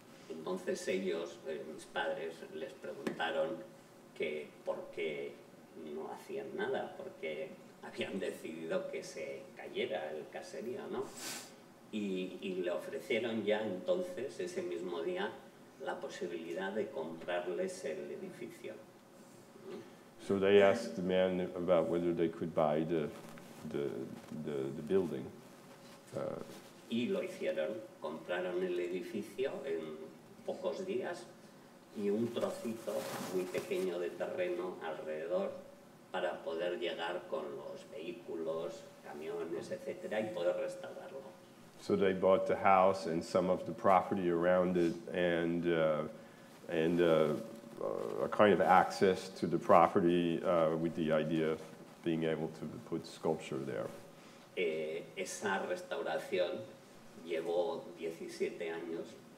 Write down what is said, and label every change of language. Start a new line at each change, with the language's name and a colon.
Spanish: Entonces ellos, mis padres, les preguntaron que por qué no hacían nada, porque habían decidido que se cayera el caserío, ¿no? Y le ofrecieron ya entonces, ese mismo día, la posibilidad de comprarles el edificio.
English: So they asked the man about whether they could buy the building.
Spanish: Y lo hicieron. Compraron el edificio en pocos días y un trocito muy pequeño de terreno alrededor, para poder llegar con los vehículos, camiones, etcétera, y poder restaurarlo.
English: So they bought the house and some of the property around it, and a kind of access to the property with the idea of being able to put sculpture there.
Spanish: Esa restauración llevó 17 años.